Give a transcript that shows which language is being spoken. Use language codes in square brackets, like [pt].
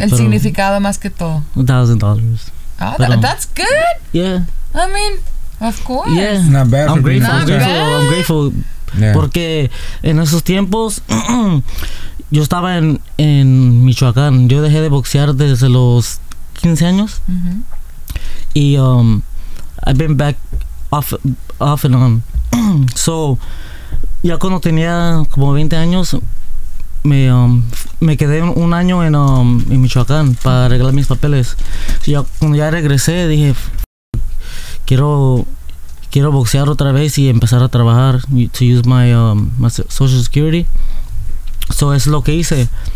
[es] el significado más que todo. [en] $1,000. That's good. Yeah. I mean, of course. Yeah. Not bad. I'm grateful. I'm grateful. Yeah. [es] Porque en esos tiempos yo estaba en Michoacán. Yo dejé de boxear desde los 15 años. Mm-hmm. Y I've been back off and on. So ya cuando tenía como 20 años me quedé un año en Michoacán para arreglar mis papeles. Ya cuando ya regresé dije quiero boxear otra vez y empezar a trabajar [en] to use my my social security. [es] So es lo que hice.